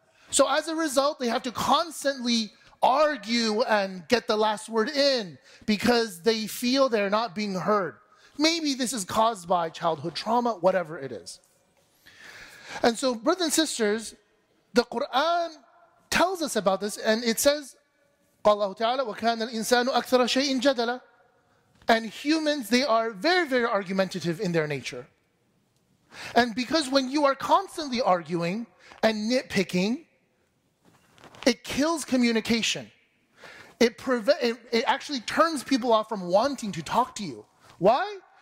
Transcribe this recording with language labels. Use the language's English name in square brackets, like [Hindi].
[English] So as a result, they have to constantly argue and get the last word in because they feel they're not being heard. Maybe this is caused by childhood trauma, whatever it is. And so, brothers and sisters, the Quran tells us about this, and it says, [Arabic] قال الله تعالى وكان الإنسان أكثر شيء جدلا. [English] And humans, they are very, very argumentative in their nature. And because when you are constantly arguing and nitpicking, it kills communication. It actually turns people off from wanting to talk to you. Why?